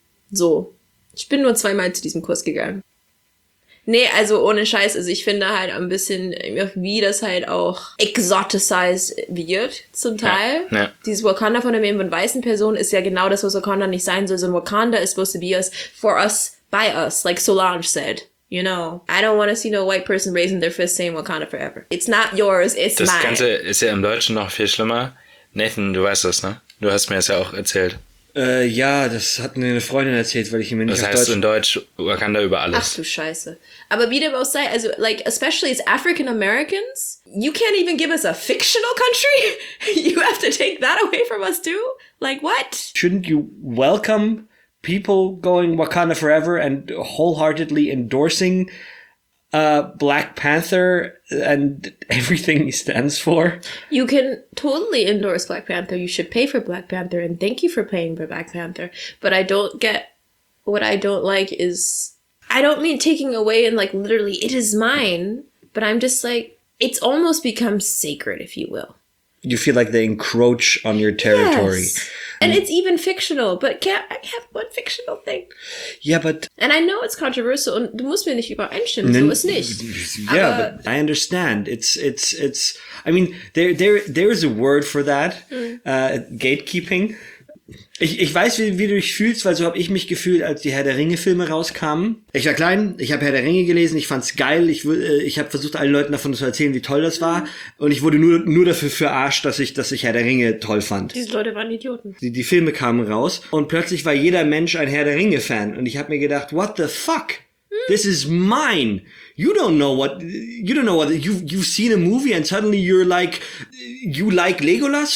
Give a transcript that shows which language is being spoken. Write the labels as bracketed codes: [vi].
[de] So, ich bin nur 2-mal zu diesem Kurs gegangen. Nee, also ohne Scheiß, also ich finde halt ein bisschen, wie das halt auch exoticized wird zum Teil. Ja, ja. Dieses Wakanda von einer weißen Person ist ja genau das, was Wakanda nicht sein soll. So ein Wakanda [en] is supposed to be us, for us, by us, like Solange said. You know, I don't want to see no white person raising their fist saying Wakanda forever. It's not yours, it's mine. [de] Das Ganze ist ja im Deutschen noch viel schlimmer. Nathan, du weißt das, ne? Du hast mir das ja auch erzählt. Ja, das hat mir eine Freundin erzählt, weil ich ihm nicht auf Deutsch... Das heißt in Deutsch, Wakanda über alles. Ach du Scheiße. Aber wie dem auch sei, also, [en] like, especially as African Americans, you can't even give us a fictional country? You have to take that away from us too? Like, what? Shouldn't you welcome people going Wakanda forever and wholeheartedly endorsing Black Panther and everything he stands for? You can totally endorse Black Panther. You should pay for Black Panther, and thank you for paying for Black Panther. But I don't get... What I don't like is... I don't mean taking away and, like, literally, it is mine. But I'm just like... It's almost become sacred, if you will. You feel like they encroach on your territory. Yes. And it's even fictional, but can't I have one fictional thing? Yeah, but... And I know it's controversial, [de] und du musst mir nicht übereinstimmen, so ist nicht. [en] Yeah, but I understand. It's. I mean, there is a word for that. Gatekeeping. [de] Ich weiß, wie du dich fühlst, weil so habe ich mich gefühlt, als die Herr-der-Ringe-Filme rauskamen. Ich war klein, ich habe Herr-der-Ringe gelesen, ich fand's geil. Ich habe versucht, allen Leuten davon zu erzählen, wie toll das war. Und ich wurde nur dafür verarscht, dass ich Herr-der-Ringe toll fand. Diese Leute waren Idioten. Die Filme kamen raus und plötzlich war jeder Mensch ein Herr-der-Ringe-Fan. Und ich habe mir gedacht, [en] what the fuck? This is mine! you don't know what you've seen a movie and suddenly you're like, you like Legolas?